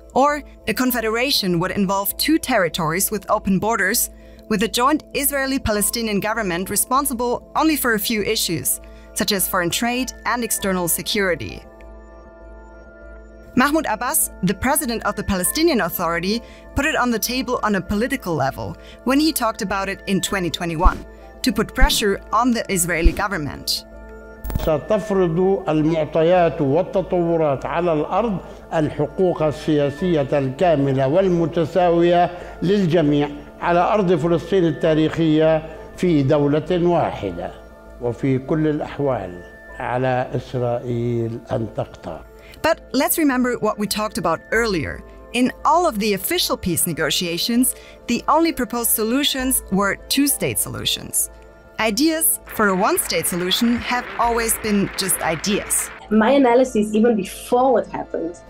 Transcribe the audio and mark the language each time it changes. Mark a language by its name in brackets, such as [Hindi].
[English] Or a confederation would involve two territories with open borders, with a joint Israeli-Palestinian government responsible only for a few issues, such as foreign trade and external security. Mahmoud Abbas, the president of the Palestinian Authority, put it on the table on a political level when he talked about it in 2021. To put pressure on the Israeli government. [Arabic] ستفرض المعطيات والتطورات على الأرض الحقوق السياسية الكاملة والمتساوية للجميع على أرض فلسطين التاريخية في دولة واحدة وفي كل الأحوال على إسرائيل أن تقطع. [English] But let's remember what we talked about earlier. In all of the official peace negotiations, the only proposed solutions were two-state solutions. Ideas for a one-state solution have always been just ideas. My analysis, even before what happened...